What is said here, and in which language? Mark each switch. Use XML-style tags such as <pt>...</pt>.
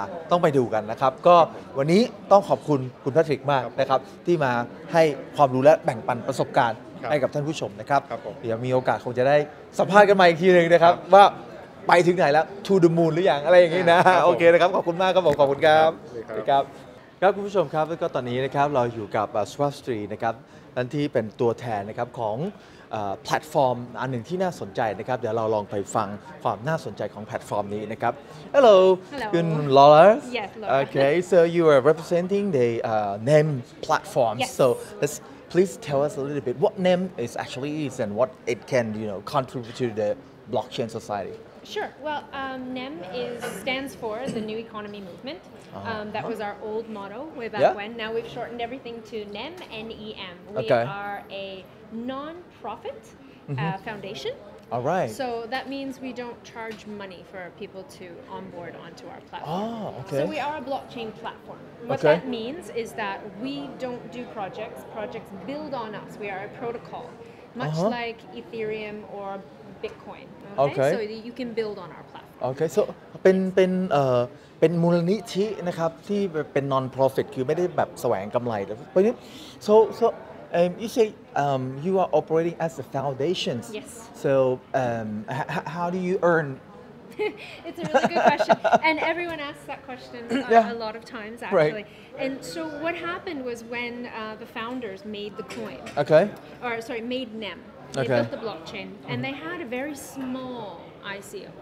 <th>ต้องไปดูกันนะครับก็วันนี้ต้องขอบคุณคุณแพทริกมากนะครับที่มาให้ความรู้และแบ่งปันประสบการณ์ให้กับท่านผู้ชมนะครับเดี๋ยวมีโอกาสคงจะได้สัมภาษณ์กันใหม่อีกทีนึงนะครับว่าไปถึงไหนแล้ว To the Moon หรือยังอะไรอย่างนี้นะโอเคนะครับขอบคุณมากครับผมขอบคุณครับ สวัสดี ครับคุณผู้ชมครับแล้วก็ตอนนี้นะครับเราอยู่กับสวัสดีนะครับท่านที่เป็นตัวแทนนะครับของแพลตฟอร์มอันหนึ่งที่น่าสนใจนะครับเดี๋ยวเราลองไปฟังความน่าสนใจของแพลตฟอร์มนี้นะครับ Hello คุ ณ Laura</th> <en>Yes Laura Okay so you are representing the name platform yes. so let's please tell us a little bit what name is actually is and what it can you know contribute to the blockchain society Sure. Well, NEM stands for the New Economy Movement. That was our old motto way back yeah. when. Now we've shortened everything to NEM, N-E-M. Okay. We are a non-profit foundation. All right. So that means we don't charge money for people to onboard onto our platform. Oh, okay. So we are a blockchain platform. What okay. that means is that we don't do projects. Projects build on us. We are a protocol, much uh-huh. like Ethereum or Bitcoin. Okay. So you can build on our platform. Okay.</en> <th>So เป็นมูลนิธินะครับที่เป็น non-profit คือไม่ได้แบบแสวงกำไรแต่เพราะนี้</th> <en>so you say you are operating as a foundation. Yes. So how do you earn? It's a really good question, and everyone asks that question yeah. a lot of times actually. Right. And so what happened was when the founders made the coin. Okay. Or sorry, made NEM. They okay. built the blockchain, and they had a very small ICO.</en>